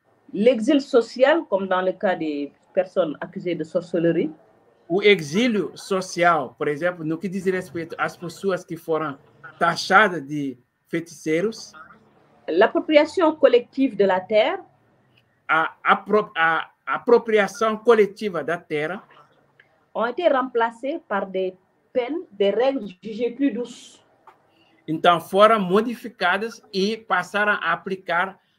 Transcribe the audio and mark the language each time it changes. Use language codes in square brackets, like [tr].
[fr] L'exil social, como dans le cas de personnes accusées de sorcellerie. [pt] O exílio social, por exemplo, no que diz respeito às pessoas que foram taxadas de feiticeiros. [fr] L'appropriation collective de la terre. [pt] A apropriação coletiva da terra. [fr] Ont été remplacés par des peines, des règles jugées plus douces. [pt] Então, foram modificadas e passaram a aplicar